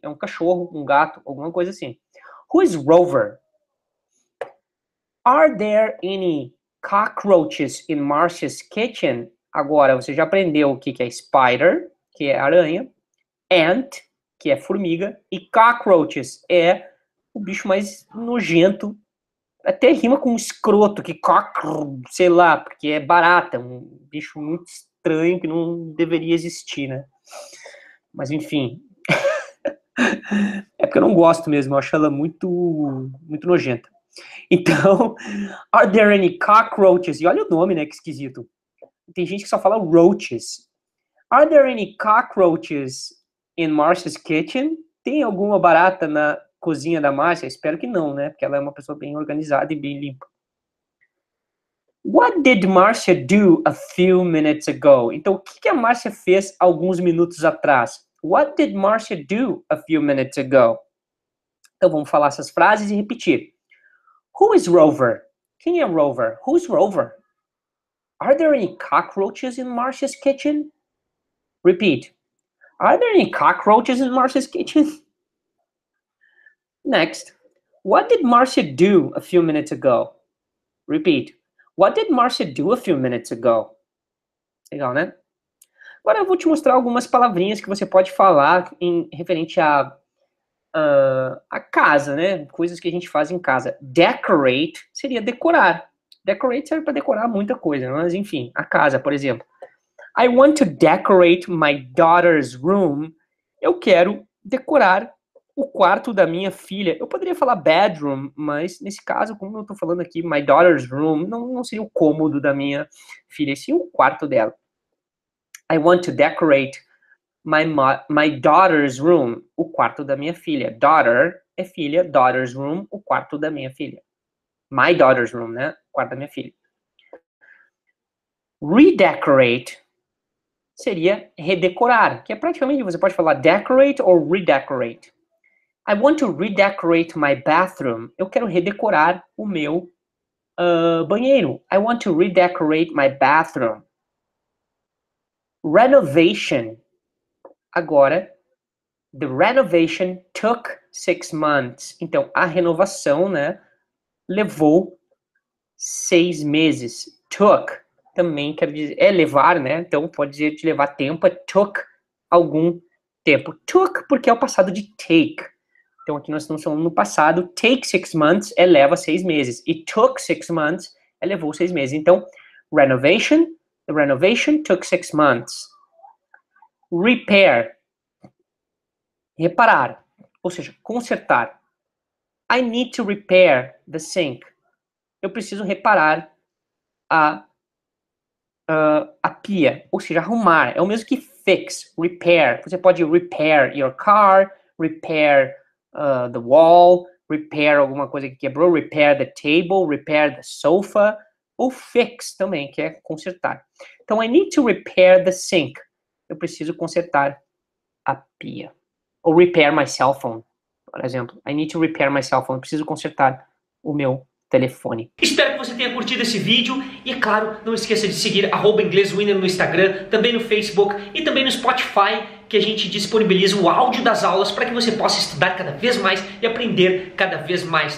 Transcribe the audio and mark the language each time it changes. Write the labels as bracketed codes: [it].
[pt] É um cachorro, um gato, alguma coisa assim. [en] Who is Rover? Are there any cockroaches in Marcia's kitchen? [pt] Agora você já aprendeu o que é spider, que é aranha. Ant, que é formiga, e cockroaches é o bicho mais nojento, até rima com escroto, que sei lá, porque é barata, um bicho muito estranho que não deveria existir, né? Mas enfim, é porque eu não gosto mesmo, eu acho ela muito, muito nojenta. [en] Então, are there any cockroaches? [pt] E olha o nome, né, que esquisito. Tem gente que só fala roaches. [en] Are there any cockroaches in Marcia's kitchen? [pt] Tem alguma barata na cozinha da Marcia? Espero que não, né? Porque ela é uma pessoa bem organizada e bem limpa. [en] What did Marcia do a few minutes ago? [pt] Então, o que a Marcia fez alguns minutos atrás? [en] What did Marcia do a few minutes ago? [pt] Então, vamos falar essas frases e repetir. [en] Who is Rover? [pt] Quem é Rover? [en] Who's Rover? Are there any cockroaches in Marcia's kitchen? Repeat. Are there any cockroaches in Marcia's kitchen? Next. What did Marcia do a few minutes ago? Repeat. What did Marcia do a few minutes ago? [pt] Legal, né? Agora eu vou te mostrar algumas palavrinhas que você pode falar em referente a casa, né? Coisas que a gente faz em casa. Decorate seria decorar. Decorate serve para decorar muita coisa, mas enfim, a casa, por exemplo. [en] I want to decorate my daughter's room. [pt] Eu quero decorar o quarto da minha filha. Eu poderia falar bedroom, mas nesse caso, como eu tô falando aqui, [en] my daughter's room, [pt] não seria o cômodo da minha filha, sim o quarto dela. [en] I want to decorate my daughter's room, [pt] o quarto da minha filha. Daughter é filha, daughter's room, o quarto da minha filha. My daughter's room, né? Quarto da minha filha. Redecorate seria redecorar, que é praticamente, você pode falar decorate ou redecorate. [en] I want to redecorate my bathroom. [pt] Eu quero redecorar o meu banheiro. [en] I want to redecorate my bathroom. Renovation. Agora, the renovation took 6 months. [pt] Então, a renovação, né, levou 6 meses. Took, também quer dizer, é levar, né? Então, pode dizer de levar tempo, é took algum tempo. Took, porque é o passado de take. Então, aqui nós estamos falando no passado, [en] take 6 months [pt] é leva 6 meses. E [en] took 6 months [pt] é levou 6 meses. [en] Então, renovation, the renovation took 6 months. [pt] Repair, reparar, ou seja, consertar. [en] I need to repair the sink. [pt] Eu preciso reparar a pia, ou seja, arrumar. É o mesmo que fix, repair. Você pode [en] repair your car, repair the wall, [pt] repair alguma coisa que quebrou, [en] repair the table, repair the sofa, [pt] ou fix também, que é consertar. [en] Então, I need to repair the sink. [pt] Eu preciso consertar a pia. [en] Ou repair my cell phone, [pt] por exemplo. [en] I need to repair my cell phone. [pt] Eu preciso consertar o meu telefone. Espero que você tenha curtido esse vídeo. E, claro, não esqueça de seguir @inglêswinner no Instagram, também no Facebook e também no Spotify, que a gente disponibiliza o áudio das aulas para que você possa estudar cada vez mais e aprender cada vez mais.